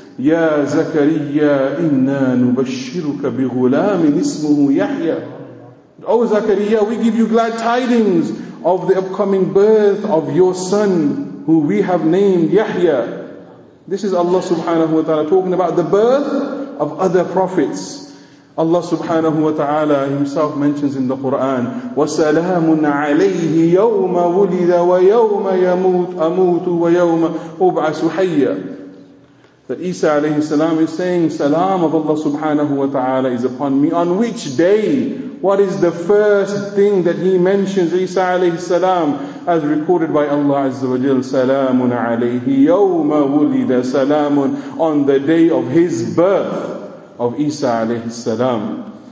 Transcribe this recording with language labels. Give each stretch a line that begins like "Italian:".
Arabic: Ya Zakariya, inna nubashiruka bi ghulamin ismuhu Yahya.
English: Oh Zakariya, we give you glad tidings of the upcoming birth of your son, who we have named Yahya. This is Allah subhanahu wa ta'ala talking about the birth of other prophets. Allah subhanahu wa ta'ala himself mentions in the Quran,
Arabic: وَسَلَامٌ عَلَيْهِ يَوْمَ وُلِدَ وَيَوْمَ يَمُوتُ أَمُوتُ وَيَوْمَ أُبْعَثُ حَيَّ.
English: That Isa alayhi salam is saying, salam of Allah subhanahu wa ta'ala is upon me. On which day? What is the first thing that he mentions, Isa alayhi salam, as recorded by Allah Azza wa Jal?
Arabic: Salamun alayhi yawma wulida, salamun,
English: on the day of his birth, of Isa alayhi salam.